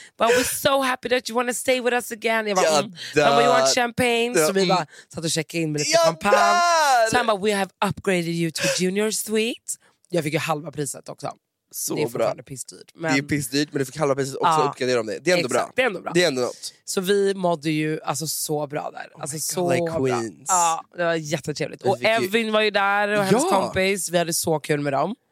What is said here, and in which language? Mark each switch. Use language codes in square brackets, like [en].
[en] But we're so happy that you want to stay with us again. [sv] Jag bara, [en] Dad. You want champagne? [sv] Så vi bara satt och checkade in med lite champagne. Så han bara, [en] we have upgraded you to junior suite. [sv] Jag fick ju halva priset också. Så bra. Det är bra. Pissdyrt. Men... det är pissdyrt, men du fick halva priset också uppgradera om det. Det är ändå exakt. Det är ändå bra. Det är ändå något. Så vi mådde ju alltså så bra där. [en] Oh [sv] alltså [en] God, [sv] så [en] like queens. [sv] Bra. Ja, det var jättetrevligt. Och Evin var ju där och hennes kompis. Vi hade så kul med dem.